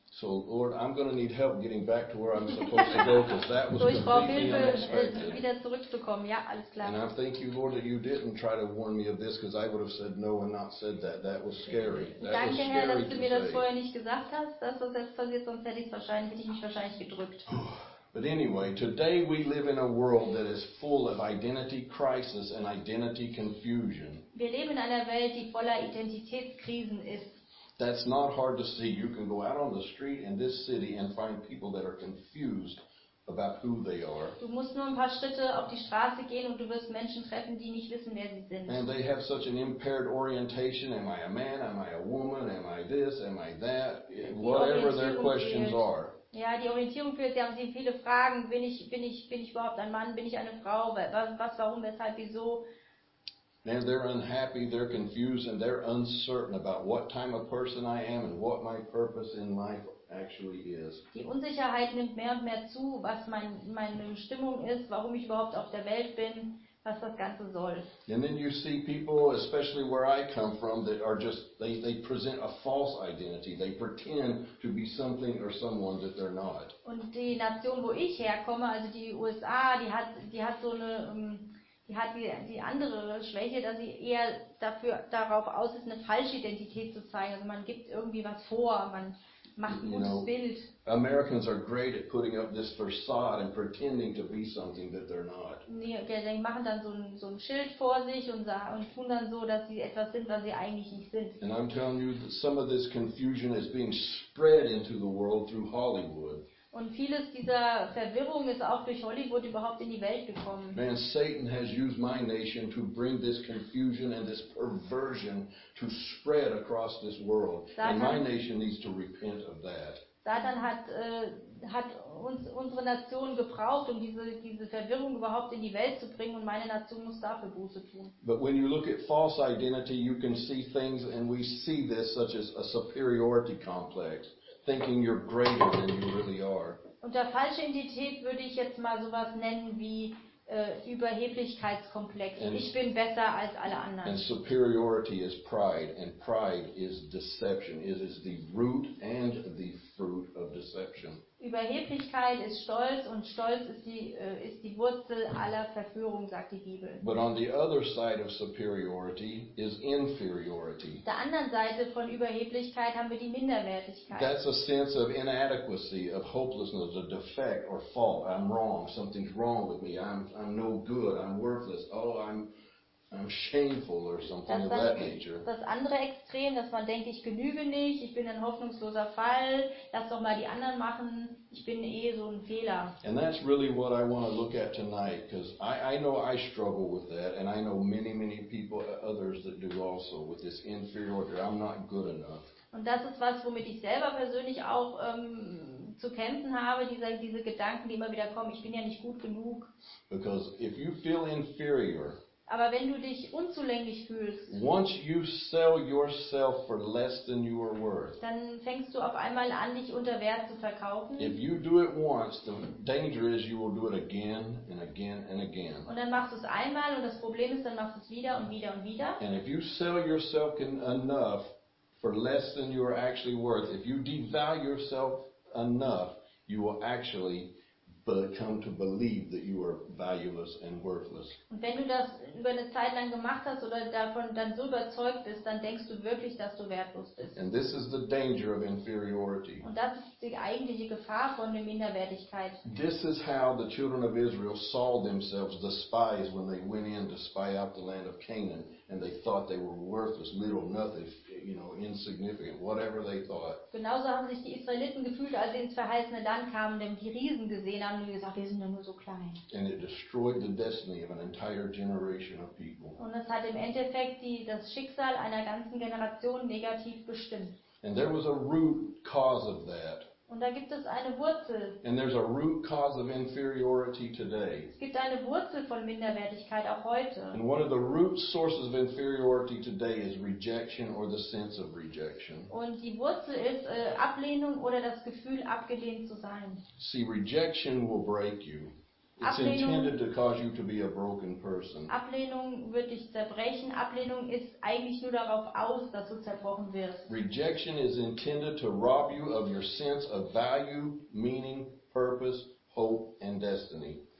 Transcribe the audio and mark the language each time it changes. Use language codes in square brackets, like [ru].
[en] So, Lord, I'm going to need help getting back to where I'm supposed to go, because that was completely unexpected. [de] So, ich brauche Hilfe, wieder zurückzukommen. Ja, alles klar. [en] And I thank you, Lord, that you didn't try to warn me of this, because I would have said no and not said that. That was scary. That [de] danke, [en] was scary [de] Herr, dass du mir das vorher nicht gesagt hast, dass das jetzt passiert, sonst hätte ich mich wahrscheinlich gedrückt. [en] But anyway, today we live in a world that is full of identity crisis and identity confusion. [de] Wir leben in einer Welt, die voller Identitätskrisen ist. [en] That's not hard to see. You can go out on the street in this city and find people that are confused about who they are. [de] Du musst nur ein paar Schritte auf die Straße gehen und du wirst Menschen treffen, die nicht wissen, wer sie sind. [en] And they have such an impaired orientation. Am I a man? Am I a woman? Am I this? Am I that? Whatever their questions are. [de] Ja, die Orientierung fehlt. Sie haben sie viele Fragen. Bin ich überhaupt ein Mann? Bin ich eine Frau? Was, warum, weshalb, wieso? [en] And they're unhappy, they're confused, and they're uncertain about what type of person I am and what my purpose in life actually is. [de] Die Unsicherheit nimmt mehr und mehr zu, was meine Bestimmung ist, warum ich überhaupt auf der Welt bin, was das Ganze soll. [en] And then you see people, especially where I come from, that are just, they present a false identity. They pretend to be something or someone that they're not. [de] Und die Nation, wo ich herkomme, also die USA, die hat so eine... Sie hat die andere Schwäche, dass sie eher darauf aus ist, eine falsche Identität zu zeigen. Also man gibt irgendwie was vor, man macht ein gutes Bild. [en] Americans are great at putting up this facade and pretending to be something that they're not. [de] Nee, okay, die machen dann so ein Schild vor sich und tun dann so, dass sie etwas sind, was sie eigentlich nicht sind. [en] And I'm telling you that some of this confusion is being spread into the world through Hollywood. [de] Und vieles dieser Verwirrung ist auch durch Hollywood überhaupt in die Welt gekommen. [en] Man, Satan has used my nation to bring this confusion and this perversion to spread across this world. And my nation needs to repent of that. [de] Satan hat unsere Nation gebraucht, um diese Verwirrung überhaupt in die Welt zu bringen und meine Nation muss dafür Buße tun. [en] But when you look at false identity, you can see things and we see this such as a superiority complex. Thinking you're greater than you really are. [de] Unter falscher Identität würde ich jetzt mal sowas nennen wie Überheblichkeitskomplex. [en] And [de] ich bin besser als alle anderen. [en] And superiority is pride, and pride is deception. It is the root and the fruit of deception. [de] Überheblichkeit ist Stolz und Stolz ist die Wurzel aller Verführung, sagt die Bibel. [en] But on the other side of superiority is inferiority. [de] Auf der anderen Seite von Überheblichkeit haben wir die Minderwertigkeit. [en] That's a sense of inadequacy, of hopelessness, a defect or fault. I'm wrong. Something's wrong with me. I'm no good. I'm worthless. Oh, I'm shameful or something of that nature. [de] Das andere Extrem, dass man denkt, ich genüge nicht, ich bin ein hoffnungsloser Fall, lass doch mal die anderen machen, ich bin eh so ein Fehler. [en] And that's really what I want to look at tonight, because I know I struggle with that, and I know many, many people, others that do also, with this inferiority, I'm not good enough. [de] Und das ist was, womit ich selber persönlich auch zu kämpfen habe, diese Gedanken, die immer wieder kommen, ich bin ja nicht gut genug. [en] Because if you feel inferior, [de] aber wenn du dich unzulänglich fühlst, [en] once you sell yourself for less than you are worth, [de] dann fängst du auf einmal an, dich unter Wert zu verkaufen. [en] If you do it once, the danger is you will do it again and again and again. [de] Und dann machst du es einmal und das Problem ist, dann machst du es wieder und wieder und wieder. [en] And if you sell yourself enough for less than you are actually worth, if you devalue yourself enough, you will actually come to believe that you are valueless and worthless. [de] Und wenn du das über eine Zeit lang gemacht hast oder davon dann so überzeugt bist, dann denkst du wirklich, dass du wertlos bist. [en] And this is the danger of inferiority. [de] Und das ist die eigentliche Gefahr von der Minderwertigkeit. [en] This is how the children of Israel saw themselves, the spies, when they went in to spy out the land of Canaan, and they thought they were worthless, little, nothing, you know, insignificant, whatever they thought. [de] Genauso haben sich die Israeliten gefühlt, als sie ins verheißene Land kamen, denn die Riesen gesehen haben und gesagt, wir sind ja nur so klein. [en] And it destroyed the destiny of an entire generation of people. [de] Und es hat im Endeffekt das Schicksal einer ganzen Generation negativ bestimmt. [en] And there was a root cause of that. [de] Und da gibt es eine Wurzel. [en] And there's a root cause of inferiority today. [de] Es gibt eine Wurzel von Minderwertigkeit auch heute. [en] And one of the root sources of inferiority today is rejection or the sense of rejection. [de] Und die Wurzel ist Ablehnung oder das Gefühl, abgelehnt zu sein. [en] See, rejection will break you. It's intended to cause you to be a broken person. [de] Ablehnung wird dich zerbrechen. Ablehnung ist eigentlich nur darauf aus, dass du zerbrochen wirst. [en] Rejection is intended to rob you of your sense of value, meaning, purpose, hope and destiny.